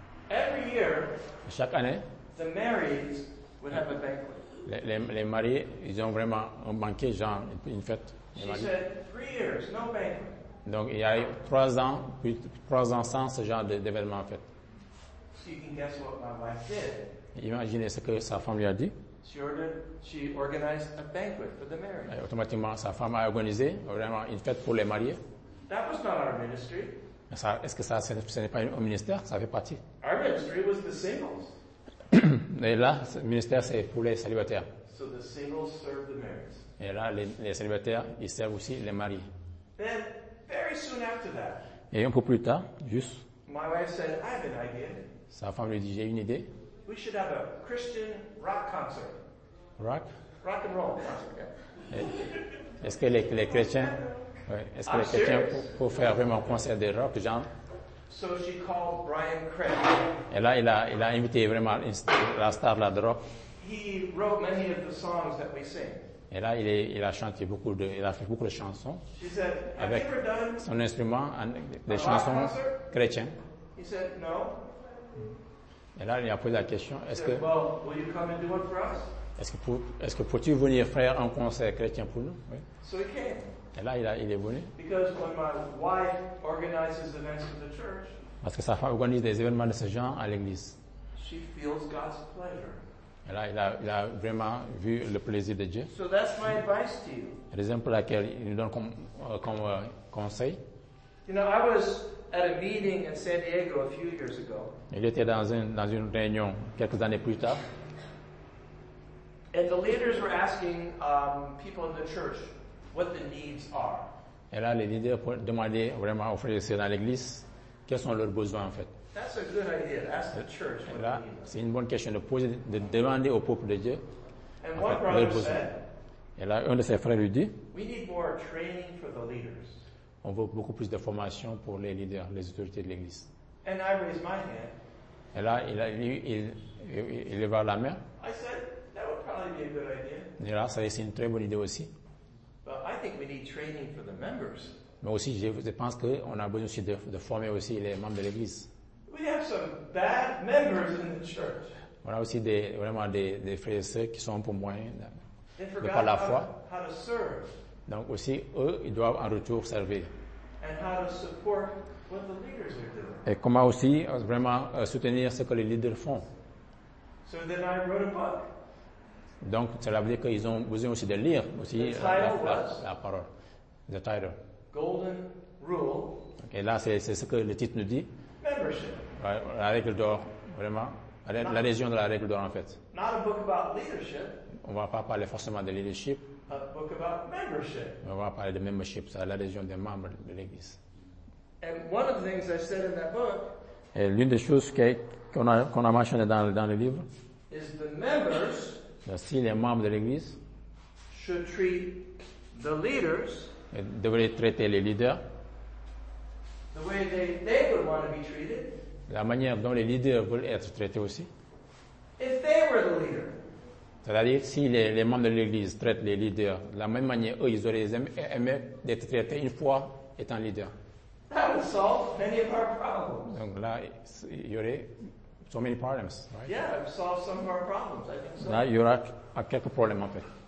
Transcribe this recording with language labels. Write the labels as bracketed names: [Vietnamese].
[English] every year, [French] chaque année, [English] the married would have a banquet. [French] Les mariés, ils ont vraiment un banquet, genre une fête. [English] She said, 3 years, no banquet. [French] Donc il y a eu trois ans sans ce genre d'événement en fait. [English] So you can guess what my wife did. [French] Imaginez ce que sa femme lui a dit. [English] She organized a banquet for the married. [French] Automatiquement, sa femme a organisé vraiment une fête pour les mariés. [English] That was not our ministry. [French] Mais ça, est-ce que ça, ce n'est pas un ministère? Ça fait partie. [English] Our ministry was the singles. [French] Et là, le ministère, c'est pour les célibataires. [English] So the singles serve the marriages. [French] Et là, les célibataires, ils servent aussi les mariés. [English] Then, very soon after that, [French] et un peu plus tard, juste, [English] my wife said, I have an idea. [French] Sa femme lui dit, j'ai une idée. [English] We should have a Christian rock concert. Rock? Rock and roll concert, yeah. [French] Est-ce que les chrétiens, ouais, est-ce que [English] I'm [French] les chrétiens [English] serious? [French] Pour faire vraiment un concert de rock, genre? [English] So she called Brian Craig. [French] Et là, il a invité vraiment la star là, de rock. [English] He wrote many of the songs that we sing. [French] Et là, il a fait beaucoup de chansons. [English] She said, [French] avec [English] have you ever done [French] son instrument, des chansons chrétiennes. [English] He said, no. [French] Et là, il a posé la question, est-ce que peux-tu venir faire un concert chrétien pour nous? Oui. [English] So he came. [French] Et là, il est venu. [English] Because when my wife organizes events for the church, [French] parce que sa femme organise des événements de ce genre à l'église. [English] She feels God's pleasure. [French] Et là, il a vraiment vu le plaisir de Dieu. [English] So that's my advice to you. [French] Raison pour laquelle il nous donne comme conseil. [English] You know, I was at a meeting in San Diego a few years ago. [French] Il était dans une réunion quelques années plus tard. [English] And the leaders were asking people in the church what the needs are. [French] Et là, les leaders demandaient vraiment aux frères dans l'église quels sont leurs besoins en fait. [English] That's a good idea. Ask the church what [French] là, c'est une bonne question de poser, de demander au peuple de Dieu [English] and what [French] leurs besoins. [English] Said, [French] et là, un de ses frères lui dit, [English] we need more training for the leaders. [French] On veut beaucoup plus de formation pour les leaders, les autorités de l'église. [English] And I raised my hand. [French] Et là, il leva la main. [English] I said, that would probably be a good idea. [French] Et là, c'est une très bonne idée aussi. [English] But I think we need training for the members. [French] Mais aussi, je pense qu'on a besoin aussi de former aussi les membres de l'église. [English] We have some bad members in the church. [French] On a aussi vraiment des frères et sœurs qui sont pour moi, de par la foi. [English] How to serve. [French] Donc aussi, eux, ils doivent en retour servir. [English] And how to support what the leaders are doing. [French] Et comment aussi vraiment soutenir ce que les leaders font. [English] So then I wrote a book. [French] Donc, cela veut dire qu'ils ont besoin aussi de lire aussi la [English] parole. The title. Golden Rule. [French] Et là, c'est ce que le titre nous dit. [English] Membership. [French] La règle d'or, vraiment. La région de la règle d'or, en fait. [English] Not a book about leadership. [French] On ne va pas parler forcément de leadership. [English] A book about membership. [French] On va parler de membership, c'est la région des membres de l'Église. [English] And one of the things I said in that book. [French] Et l'une des choses qu'on a mentionné dans le livre. [English] Is the members. [French] Si les membres de l'Église. [English] Should treat the leaders. [French] Devraient traiter les leaders. [English] The way they would want to be treated. [French] La manière dont les leaders veulent être traités aussi. [English] If they were the leader. [French] C'est-à-dire, si les membres de l'Église traitent les leaders de la même manière, eux, ils auraient aimé d'être traités une fois étant leader. [English] That would solve many of our problems. [French] Donc là, il y aurait [English] so many problems, right? Yeah, it would solve some of our problems, I think so. [French] Là, il y aura quelques problèmes, en fait.